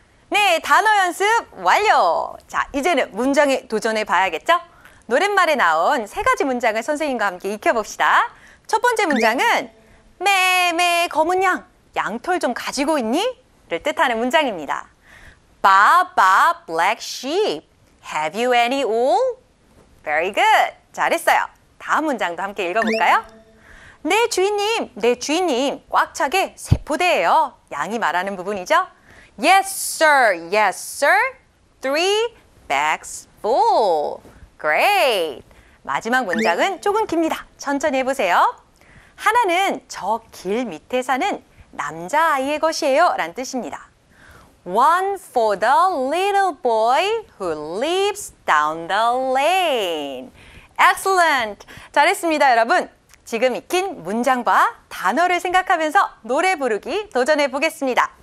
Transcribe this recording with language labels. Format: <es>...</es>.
<ko>네, 단어 연습 완료. 자, 이제는 문장에 도전해 봐야겠죠? 노랫말에 나온 세 가지 문장을 선생님과 함께 익혀봅시다. 첫 번째 문장은 매매 검은 양, 양털 좀 가지고 있니? 를 뜻하는 문장입니다.</ko> <en>Ba ba black sheep, have you any wool? Very good.</en> <ko>잘했어요. 다음 문장도 함께 읽어볼까요? 네, 주인님, 네, 주인님, 꽉 차게 세포대예요. 양이 말하는 부분이죠?</ko> <en>Yes, sir, three bags full. Great.</en> <ko>마지막 문장은 조금 깁니다. 천천히 해보세요. 하나는 저 길 밑에 사는 남자아이의 것이에요. 라는 뜻입니다.</ko> <en>One for the little boy who lives down the lane. Excellent!</en> <ko>잘했습니다, 여러분. 지금 익힌 문장과 단어를 생각하면서 노래 부르기 도전해 보겠습니다.</ko>